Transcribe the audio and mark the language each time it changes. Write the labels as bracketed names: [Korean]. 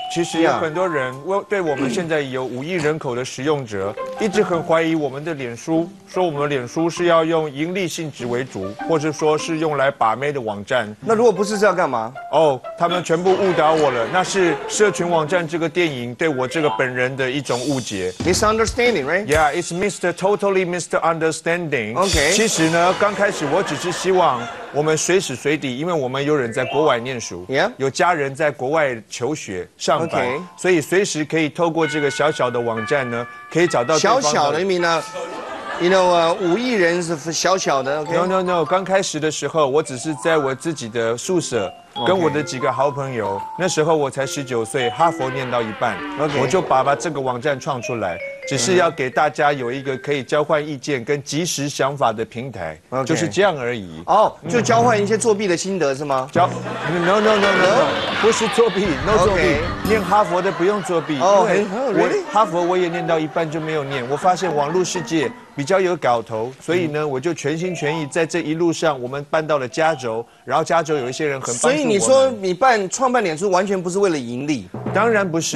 [Chinese] 其实有很多人对我们现在有五亿人口的使用者，一直很怀疑我们的脸书，说我们的脸书是要用盈利性质为主，或者说是用来把妹的网站。那如果不是，是要干嘛？哦，他们全部误导我了。那是社群网站这个电影对我这个本人的一种误解。 [English] Misunderstanding, right? Yeah, it's Mr. Totally misunderstanding. OK. [Chinese] 其实呢，刚开始我只是希望。我们随时随地，因为我们有人在国外念书、 [English] yeah? [Chinese] 有家人在国外求学上班、 [English] okay. [Chinese] 所以随时可以透过这个小小的网站呢，可以找到小小的名呢。 You know, 五亿人是小小的、okay? [English] No, no, no, [Chinese] 刚开始的时候我只是在我自己的宿舍跟我的几个好朋友、okay. 那时候我才19岁，哈佛念到一半、 [English] okay. [Chinese] 我就把这个网站创出来，只是要给大家有一个可以交换意见跟即时想法的平台、 [English] okay. [Chinese] 就是这样而已。哦、oh, 就交换一些作弊的心得是吗？交 [English] no, no, no, no, no, no, [Chinese] 不是作弊 no 作弊、 [English] okay. [Chinese] 念哈佛的不用作弊、 oh, 因为我哈佛我也念到一半就没有念，我发现网络世界比较有搞头，所以呢我就全心全意在这一路上，我们搬到了加州，然后加州有一些人很帮助我们。所以你说你办创办脸书完全不是为了盈利？当然不是。